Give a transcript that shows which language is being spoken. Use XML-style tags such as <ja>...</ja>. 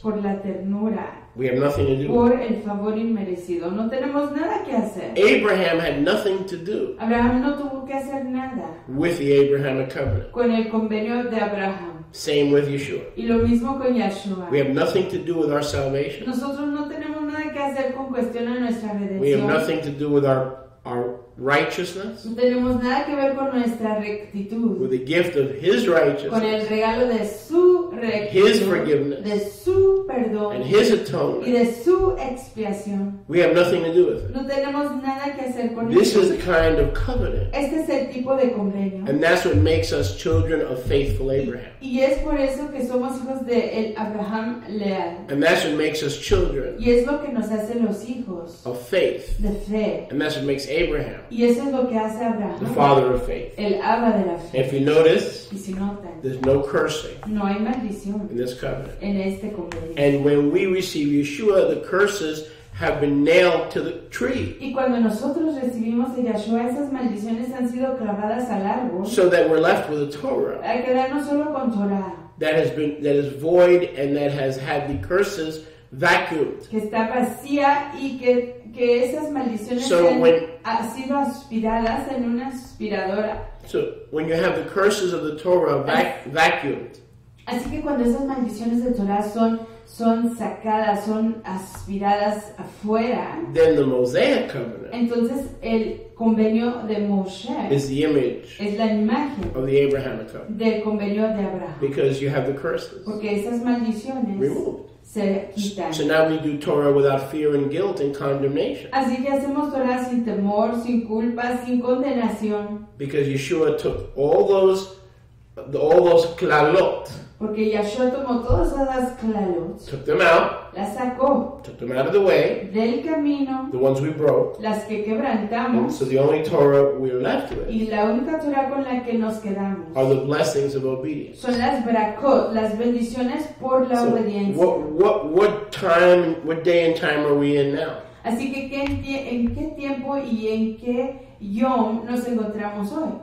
<es>Por la ternura.</es> <en>We have nothing to do.</en> <es>Por el favor inmerecido. No tenemos nada que hacer.</es> <en>Abraham had nothing to do.</en> <es>Abraham no tuvo que hacer nada.</es> <en>With the Abrahamic covenant.</en> <es>Con el convenio de Abraham.</es> <en>Same with Yeshua.</en> <es>Y lo mismo con Yeshua.</es> <en>We have nothing to do with our salvation.</en> <es>Nosotros no tenemos nada que hacer con cuestión a nuestra redención.</es> <en>We have nothing to do with our righteousness.</en> <es>No tenemos nada que ver con nuestra rectitud.</es> <en>With the gift of His righteousness.</en> <es>Con el regalo de su rectitud.</es> <en>His forgiveness.</en> <es>De su perdón.</es> <en>And His atonement.</en> <es>Y de su expiación.</es> <en>We have nothing to do with it.</en> <es>No tenemos nada que hacer con</es> <en>This el... is a kind of covenant.</en> <es>Este es el tipo de convenio.</es> <en>And that's what makes us children of faithful Abraham.</en> <es>Y es por eso que somos hijos de el Abraham leal.</es> <en>And that's what makes us children.</en> <es>Y es lo que nos hace los hijos.</es> <en>Of faith.</en> <es>De fe.</es> <en>And that's what makes Abraham.</en> <es>Y eso es lo que hace Abraham.</es> <en>The father of faith.</en> <es>El Abba de la fe.</es> <en>If you notice.</en> <es>Y si notan.</es> <en>There's no cursing.</en> <es>No hay maldición.</es> <en>In this covenant.</en> <es>En este convenio.</es> <en>And when we receive Yeshua, the curses have been nailed to the tree.</en> <es>Y cuando nosotros recibimos de Yeshua, esas maldiciones han sido clavadas al árbol.</es> <en>So that we're left with a Torah.</en> <es>Al quedarnos solo con Torah.</es> <en>That is void and that has had the curses vacuumed.</en> <es>Que está vacía y que esas maldiciones han sido aspiradas en una aspiradora.</es> <en>So when you have the curses of the Torah vacuumed.</en> <es>Así que cuando esas maldiciones de Torah son sacadas, son aspiradas afuera.</es> <en>Then the Mosaic covenant.</en> <es>Entonces el convenio de Moshe.</es> <en>Is the image.</en> <es>Es la imagen.</es> <en>Of the Abrahamic covenant.</en> <es>Del convenio de Abraham.</es> <en>Because you have the curses.</en> <es>Porque esas maldiciones.</es> <en>Removed.</en> <es>Se</es> <en>so now we do Torah without fear and guilt and condemnation.</en> <es>Así que hacemos Torah sin temor, sin culpa, sin condenación.</es> <en>Because Yeshua took all those klalot.</en> <es>Porque Yeshua tomó todas esas klalot.</es> <en>Took them out.</en> <es>Las sacó.</es> <en>Took them out of the way.</en> <es>Del camino.</es> <en>The ones we broke.</en> <es>Las que quebrantamos.</es> <en>And so the only Torah we're left with.</en> <es>Y la única Torah con la que nos quedamos.</es> <en>Are the blessings of obedience.</en> <es>Son las brakot, las bendiciones por la so obediencia.</es> <en>What day and time are we in now?</en> <es>Así que ¿en qué tiempo y en qué yom nos encontramos hoy?</es>